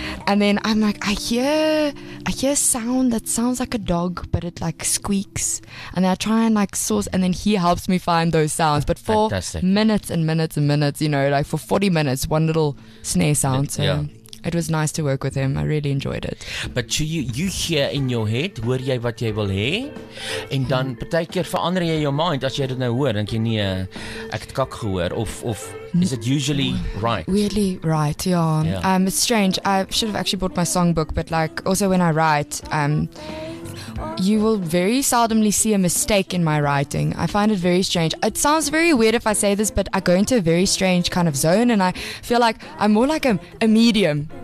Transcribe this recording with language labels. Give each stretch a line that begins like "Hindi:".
English: And then I'm like, I hear a sound that sounds like a dog, but it like squeaks. And then I try and like source, and then he helps me find those sounds. But for minutes and minutes and minutes, you know, like for 40 minutes, one little snare sound. So. Yeah. It was nice to work with him. I really enjoyed it. But you hear in your head,
Afrikaans: hoor jy wat jy wil hê? En dan partykeer verander jy jou mind as jy dit nou hoor, dink jy nee, ek het kak gehoor of
English: is it usually right? Weirdly right, yeah. It's strange. I should have actually bought my songbook, but like also when I write, you will very seldomly see a mistake in my writing. I find it very strange. It sounds very weird if I say this, but I go into a very strange kind of zone, and I feel like I'm more like a medium.